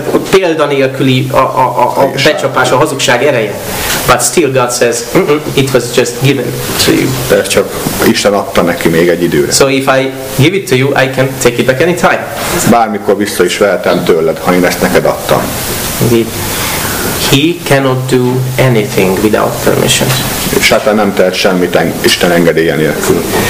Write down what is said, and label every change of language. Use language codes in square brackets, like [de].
[hu] Példa nélküli a becsapás, a hazugság ereje. [en] But still God says, it was just given to you. [hu] De csak Isten adta neki még egy időre. [en] So if I give it to you, I can take it back anytime. [hu] Bármikor vissza is vehetem tőled, ha én ezt neked adtam. [en] He cannot do anything without permission. [hu] Sátán nem tehet semmit Isten engedélye nélkül.